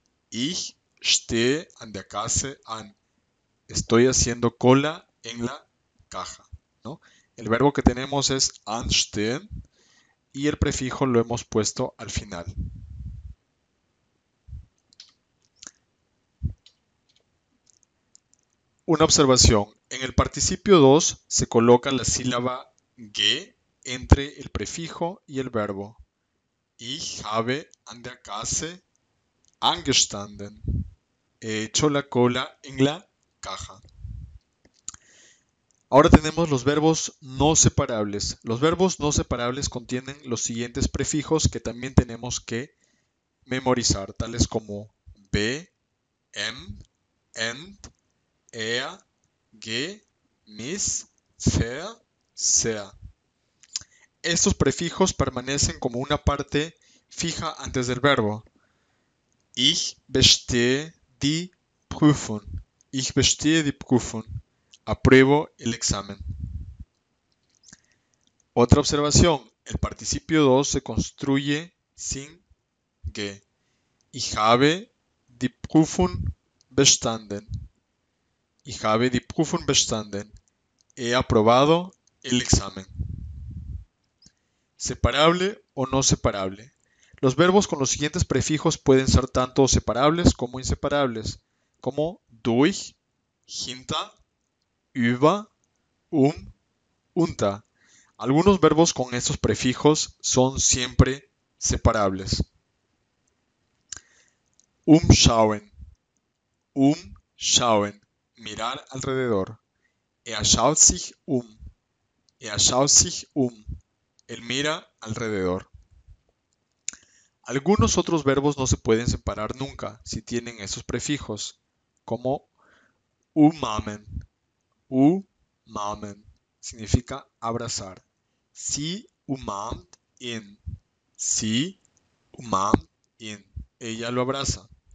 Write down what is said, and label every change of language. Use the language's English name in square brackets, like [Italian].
[German] Ich stehe an der Kasse an. [Spanish] Estoy haciendo cola en la caja, ¿no? El verbo que tenemos es anstehen y el prefijo lo hemos puesto al final. Una observación. En el participio 2 se coloca la sílaba ge entre el prefijo y el verbo. [German] Ich habe an der Kasse angestanden. [Spanish] He hecho la cola en la caja. Ahora tenemos los verbos no separables. Los verbos no separables contienen los siguientes prefijos que también tenemos que memorizar, tales como be, em, ent, er, ge, mis, fer, ser. Estos prefijos permanecen como una parte fija antes del verbo. [German] Ich bestehe die Prüfung. Ich bestehe die Prüfung. [Spanish] Apruebo el examen. Otra observación. El participio 2 se construye sin ge. [German] Ich habe die Prüfung bestanden. Ich habe die Prüfung bestanden. [Spanish] He aprobado el examen. ¿Separable o no separable? Los verbos con los siguientes prefijos pueden ser tanto separables como inseparables, como durch, hinter, über, unter. Algunos verbos con estos prefijos son siempre separables. Umschauen, mirar alrededor. [German] Schaut sich um, schaut sich um. [Spanish] Él mira alrededor. Algunos otros verbos no se pueden separar nunca si tienen esos prefijos, como umarmen. Umarmen significa abrazar. [German] Sie umarmt ihn. Sie umarmt ihn. [Spanish] Ella lo abraza.